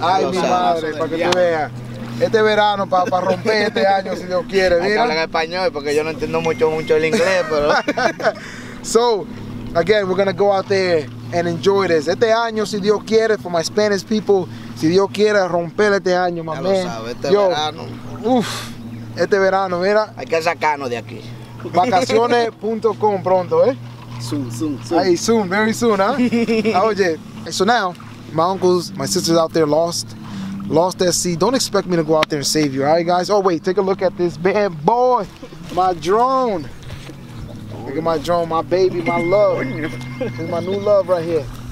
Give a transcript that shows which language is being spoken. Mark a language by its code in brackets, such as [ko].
[es] Ay, mi madre, para que tú veas. Este verano, para romper este año, si Dios quiere, mira. Hay que hablar en español, porque yo no entiendo mucho el inglés, pero... [en] So, again, we're going to go out there and enjoy this. [es] Este año, si Dios quiere, [en] for my Spanish people, [es] si Dios quiere romper este año, [en] my [es] ya [en] man. [es] Lo sabe, este yo, verano. Uf, este verano, mira. Hay que sacarnos de aquí. Vacaciones.com pronto, ¿eh? [en] Soon. Ay, soon, very soon, ¿eh? Ah, oye, so now, my uncles, my sisters out there lost at sea. Don't expect me to go out there and save you, all right, guys? Oh, wait, take a look at this bad boy, my drone. Look at my drone, my baby, my love. This is my new love right here.